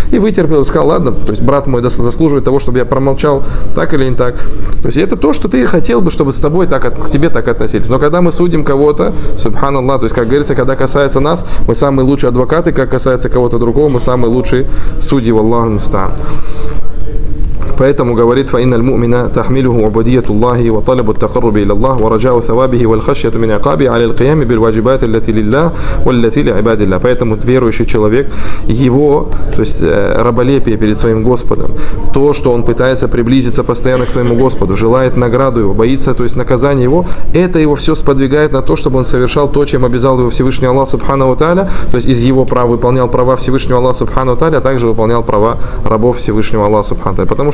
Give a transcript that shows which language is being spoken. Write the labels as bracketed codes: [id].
[ru] И вытерпел бы, сказал, ладно, то есть брат мой заслуживает того, чтобы я промолчал, так или не так. То есть это то, что ты хотел бы, чтобы с тобой так, к тебе так относились. Но когда мы судим кого-то, субханаллах, то есть, как говорится, когда касается нас, мы самые лучшие адвокаты, как касается кого-то другого, мы самые лучшие судьи, валлаху мустаан. Поэтому говорит [ar] فإن المؤمن تحمله عبودية الله وطلب التقرب إلى الله ورجاء ثوابه والخشية من عقابه على القيام بالواجبات التي لله والتي لعباد الله. [ru] Поэтому верующий человек, его, то есть раболепие перед своим Господом, то, что он пытается приблизиться постоянно к своему Господу, желает награду его, боится, то есть наказание его, это его все сподвигает на то, чтобы он совершал то, чем обязал его Всевышний Аллах Субханаху Тааля, то есть из его права выполнял права Всевышнего Аллаха Субханаху Тааля, а также выполнял права рабов Всевышнего Аллаха Субханаху Тааля.